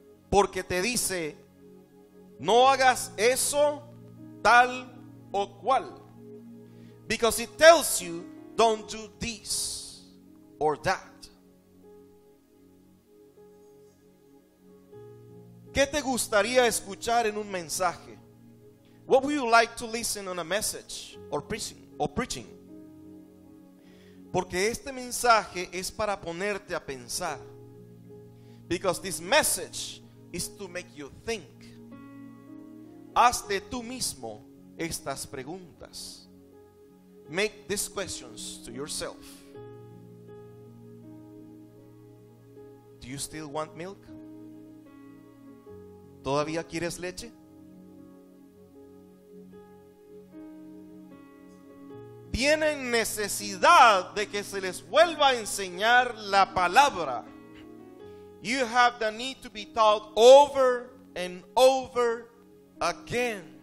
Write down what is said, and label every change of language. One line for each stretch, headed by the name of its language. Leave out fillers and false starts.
Spanish: Porque te dice, no hagas eso tal o cual.
English: Because it tells you, don't do this or that.
Spanish: ¿Qué te gustaría escuchar en un mensaje?
English: What would you like to listen on a message or preaching?
Spanish: Porque este mensaje es para ponerte a pensar.
English: Because this message is to make you think.
Spanish: Hazte tú mismo estas preguntas.
English: Make these questions to yourself. Do you still want milk?
Spanish: ¿Todavía quieres leche? Tienen necesidad de que se les vuelva a enseñar la palabra.
English: You have the need to be taught over and over again.